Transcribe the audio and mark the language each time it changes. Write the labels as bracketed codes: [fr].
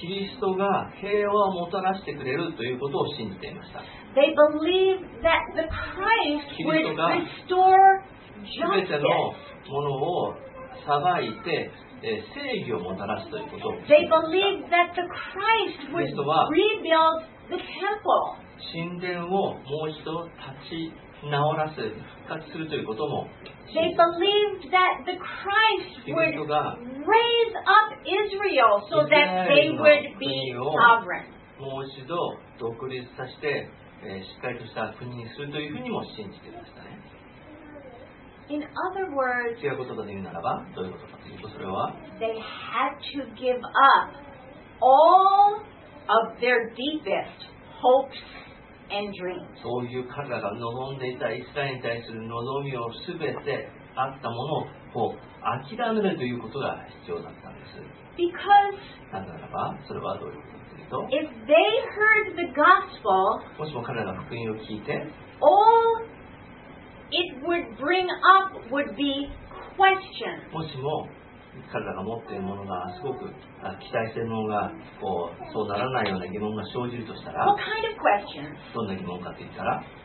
[ja] キリストが平和をもたらしてくれるということを信じていました。 [en] They believed that the Christ would restore justice. [ja] すべてのものを裁いて、正義をもたらすということを信じていました。 [en] They believed that the Christ would rebuild the temple. [ja] 神殿をもう一度立ち直らせ、復活するということも [en] They believed that the Christ would raise up Israel so that they would be sovereign. [ja] もう一度独立させて、しっかりとした国にするというふうにも信じていましたね。 [en] In other words, [ja] 違う言葉で言うならば、どういうことかというと、それは [en] They had to give up all of their deepest hopes. And dreams. [ja] そういう彼らが望んでいたイスラエルに対する望みをすべてあったものをこう諦めるということが必要だったんです。 [en] Because [ja] なぜならばそれはどういうことですか。と、 [en] If they heard the gospel, [ja] もしも彼らが福音を聞いて、 [en] all it would bring up would be questions. [ja] もしも彼らが持っているものがすごく期待しているものがこうそうならないような疑問が生じるとしたら、 [en] What kind of questions? [ja] どんな疑問かといったら、